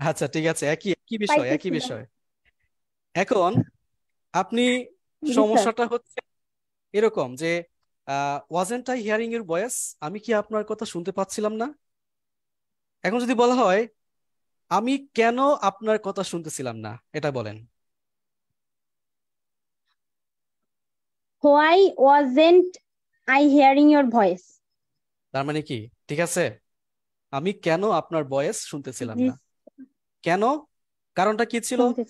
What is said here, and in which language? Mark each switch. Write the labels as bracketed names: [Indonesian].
[Bangla] আচ্ছা ঠিক আছে, একই একই বিষয়, একই বিষয়। এখন আপনি সমস্যাটা হচ্ছে এরকম যে [English] wasn't I hearing your voice, [Bangla] আমি কি আপনার কথা শুনতে পাচ্ছিলাম না? এখন যদি বলা হয় আমি কেন আপনার কথা শুনতেছিলাম না, এটা বলেন। [English] Why wasn't I hearing your voice? [Bangla] তার মানে কি? ঠিক আছে, আমি কেন আপনার ভয়েস শুনতেছিলাম না, কেন, কারণটা কি ছিল?